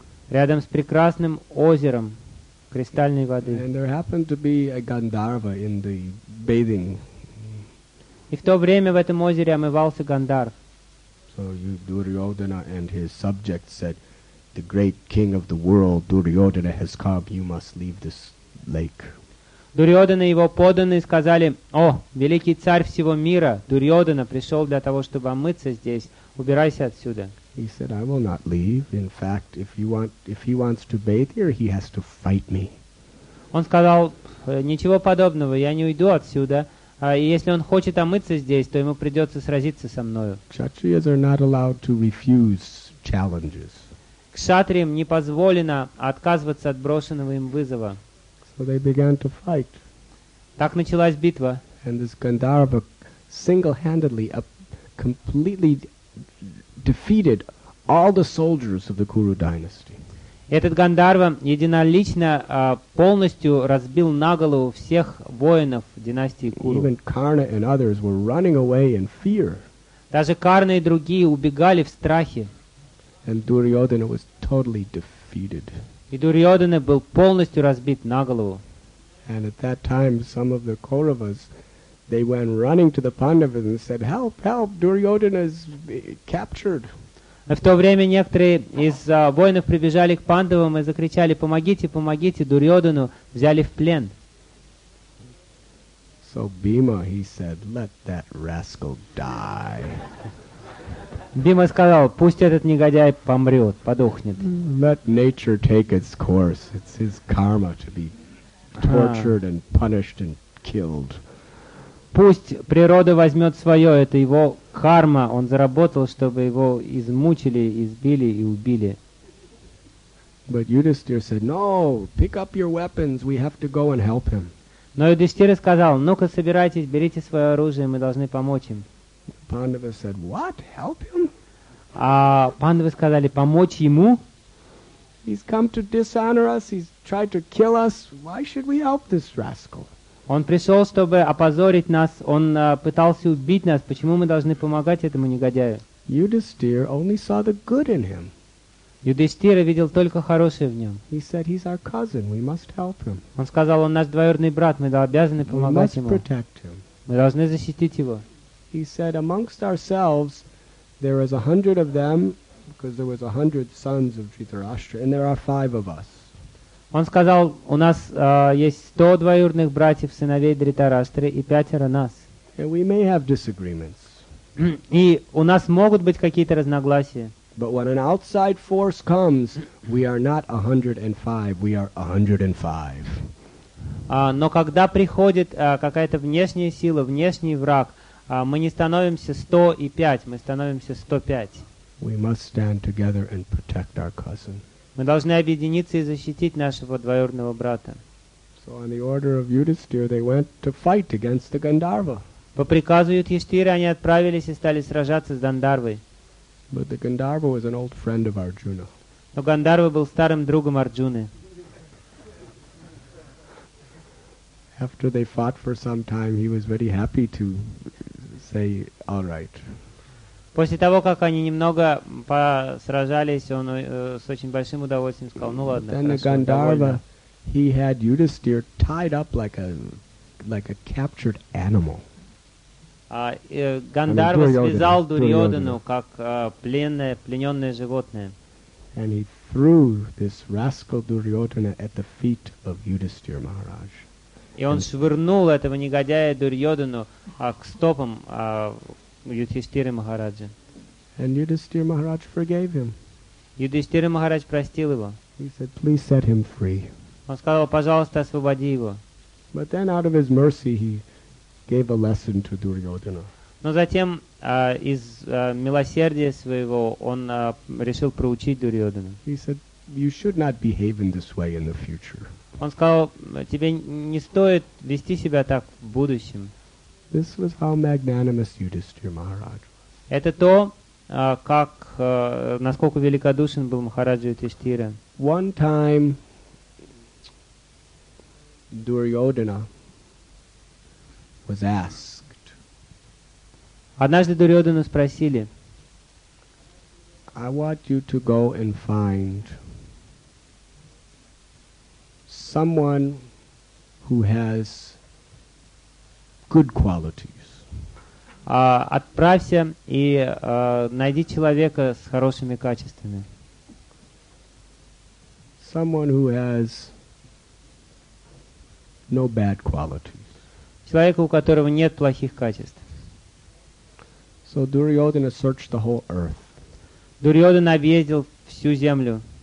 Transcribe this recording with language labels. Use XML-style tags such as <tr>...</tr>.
<ru>Рядом с прекрасным озером. Кристальной воды.</ru> <en>And there happened to be a Gandharva in the bathing.</en> <ru>И в то время в этом озере омывался Гандарв.</ru> <en>So Duryodhana and his subjects said, "The great king of the world, Duryodhana, has come. You must leave this lake."</en> <ru>Дурьодхана и его подданные сказали: "О, великий царь всего мира, Дурьодхана пришел для того, чтобы омыться здесь. Убирайся отсюда."</ru> <en>He said, "I will not leave. In fact, if he wants to bathe here, he has to fight me."</en> <ru>Он сказал: "Ничего подобного, я не уйду отсюда. И если он хочет омыться здесь, то ему придется сразиться со мною."</ru> <en>Kshatriyas are not allowed to refuse challenges.</en> <ru>Кшатриям не позволено отказываться от брошенного им вызова.</ru> <en>So they began to fight.</en> <ru>Так началась битва.</ru> <en>And this Gandharva single-handedly, completely defeated all the soldiers of the Kuru dynasty.</en> <ru>Этот Гандарва единолично полностью разбил на голову всех воинов династии Куру.</ru> <en>Even Karna and others were running away in fear.</en> <ru>Даже Карна и другие убегали в страхе.</ru> <en>And Duryodhana was totally defeated.</en> <ru>И Дурьодхана был полностью разбит на голову.</ru> <en>And at that time some of the Kauravas, they went running to the Pandavas and said, "Help, help, Duryodhana is captured."</en> <ru>В то время некоторые из воинов прибежали к Пандавам и закричали: "Помогите, помогите, Дурьодхану взяли в плен."</ru> <en>So Bhima, he said, "Let that rascal die."</en> <ru>Бима сказал: "Пусть этот негодяй помрет, подохнет."</ru> <en>Let nature take its course. It's his karma to be tortured and punished and killed.</en> <ru>Пусть природа возьмет свое, это его карма, он заработал, чтобы его измучили, избили и убили.</ru> <en>But Yudhisthira said, "No, pick up your weapons. We have to go and help him."</en> <ru>Но Юдистир сказал: "Ну-ка, собирайтесь, берите свое оружие, мы должны помочь им."</ru> <en>Pandava said, "What? Help him?"</en> <ru>А Пандавы сказали: "Помочь ему?"</ru> <en>He's come to dishonor us. He's tried to kill us. Why should we help this rascal?</en> <ru>Он пришел, чтобы опозорить нас. Он пытался убить нас. Почему мы должны помогать этому негодяю?</ru> <en>Yudhisthira only saw the good in him.</en> <ru>Юдистира видел только хорошее в нем.</ru> <en>He said, "He's our cousin. We must help him."</en> <ru>Он сказал: "Он наш двоюродный брат. Мы обязаны помогать ему."</ru> <en>We must protect him.</en> <ru>Мы должны защитить его.</ru> <en>He said, "Amongst ourselves, there is 100 of them, because there was 100 sons of Dhritarashtra, and there are 5 of us."</en> <ru>Он сказал: "У нас есть 100 двоюродных братьев, сыновей Дхритараштры, и 5 нас."</ru> <en>And we may have disagreements.</en> <ru>И у нас могут быть какие-то разногласия.</ru> <en>But when an outside force comes, we are not 105, we are 105.</en> <ru>Но когда приходит какая-то внешняя сила, внешний враг, мы не становимся 105, мы становимся 105.</ru> <en>We must stand together and protect our cousin.</en> <ru>Мы должны объединиться и защитить нашего двоюродного брата.</ru> <en>So on the order of Yudhisthira, they went to fight against the Gandharva.</en> <ru>По приказу Юдхиштхиры они отправились и стали сражаться с Гандхарвой.</ru> <en>But the Gandharva was an old friend of Arjuna.</en> <ru>Но Гандхарва был старым другом Арджуны.</ru> <en>After they fought for some time, he was very happy to say, "All right."</en> <ru>После того, как они немного посражались, он с очень большим удовольствием сказал: "Ну ладно, хорошо."</ru> <en>Then the Gandharva, he had Yudhisthira tied up like a captured animal.</en> <ru>Гандхарва связал Дурьодхану как плененное животное.</ru> <en>And he threw this rascal Duryodhana at the feet of Yudhisthira Maharaj.</en> <ru>И он швырнул этого негодяя Дурьодхану к стопам Юдхиштхиры Махараджа.</ru> <en>And Yudhisthira Maharaj forgave him.</en> <ru>Юдхиштхира Махарадж простил его.</ru> <en>He said, "Please set him free."</en> <ru>Он сказал: "Пожалуйста, освободи его."</ru> <en>But then, out of his mercy, he gave a lesson to Duryodhana.</en> <ru>Но затем из милосердия своего он решил проучить Дурьодхана.</ru> <en>He said, "You should not behave in this way in the future."</en> <ru>Он сказал: "Тебе не стоит вести себя так в будущем."</ru> <en>This was how magnanimous Yudhisthira Maharaj was.</en> <ru>Это то, как насколько великодушен был Махараджа Юдхиштхира.</ru> <en>One time, Duryodhana was asked.</en> <ru>Однажды Дурьодхану спросили:</ru> <en>"I want you to go and find someone who has good qualities."</en> <ru>Отправься и найди человека с хорошими качествами.</ru> <en>Someone who has no bad qualities.</en> <ru>Человека, у которого нет плохих качеств.</ru> <en>So Duryodhana searched the whole earth.</en> <ru>Дурьодхана объездил всю землю.</ru>